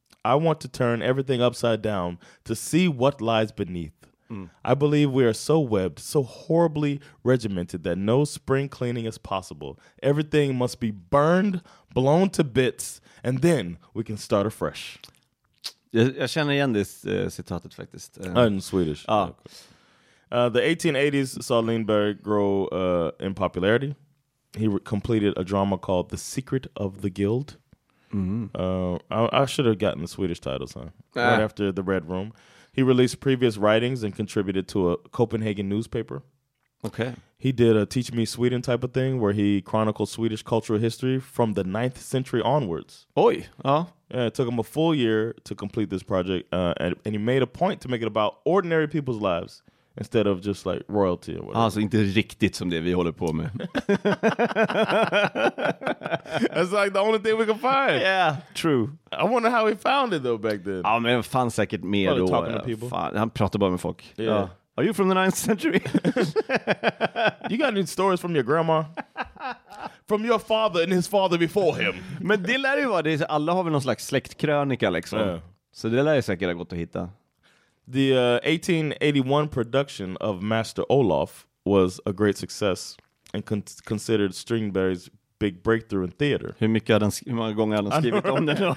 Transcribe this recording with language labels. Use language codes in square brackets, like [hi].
[en] I want to turn everything upside down to see what lies beneath. Mm. I believe we are so webbed, so horribly regimented that no spring cleaning is possible. Everything must be burned, blown to bits, and then we can start afresh. [sv] Jag känner igen det citatet faktiskt. [en] En Swedish. Ah. The 1880s saw Lindbergh grow in popularity. He completed a drama called The Secret of the Guild. Mm-hmm. I should have gotten the Swedish title, son. Ah. Right after The Red Room. He released previous writings and contributed to a Copenhagen newspaper. Okay. He did a Teach Me Sweden type of thing where he chronicled Swedish cultural history from the 9th century onwards. Oi. Yeah, it took him a full year to complete this project, and he made a point to make it about ordinary people's lives instead of just like royalty or whatever. [sv] Alltså inte riktigt som det vi håller på med. [en] That's like the only thing we can find. Yeah, true. I wonder how he found it though back then. [sv] Ja, men fanns säkert mer då. [en] Talking to people. [sv] Han pratade bara med folk. [en] Yeah. Yeah. Are you from the 9th century? You got any stories from your grandma? From your father and his father before him? [sv] Men det lär ju vara, alla har väl någon slags släktkrönika liksom. Yeah. Så det lär ju säkert gått att hitta. [en] The 1881 production of Master Olof was a great success and considered Strindberg's big breakthrough in theater. [sv] Hur mycket har den, hur många gånger har han skrivit om den?